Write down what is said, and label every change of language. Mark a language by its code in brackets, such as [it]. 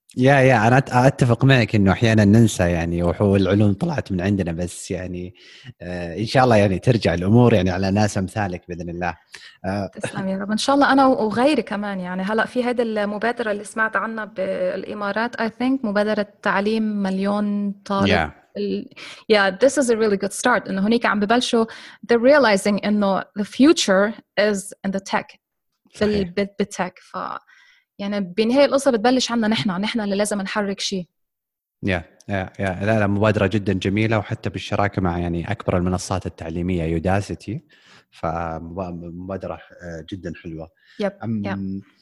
[ar] يا أنا أتفق معك إنه أحيانا ننسى يعني وحول العلوم طلعت من عندنا، بس يعني إن شاء الله يعني ترجع الأمور يعني على ناس مثالك بإذن الله. تسلم يا رب. إن شاء الله أنا وغيري كمان. يعني هلأ في هذه المبادرة اللي سمعت عنها بالإمارات [en] I think [ar] مبادرة تعليم مليون طالب. [en] Yeah, this is a really good start. [ar] إنه هنيك عم ببلشوا [en] they're realizing إنه the future is in the tech. [ar] بالتك. ف يعني بنهاية القصة بتبلش عنا نحنا اللي لازم نحرك شيء. يا لا مبادرة جدا جميلة، وحتى بالشراكة مع يعني أكبر المنصات التعليمية يوداسيتي، فمبادرة جدا حلوة. يب.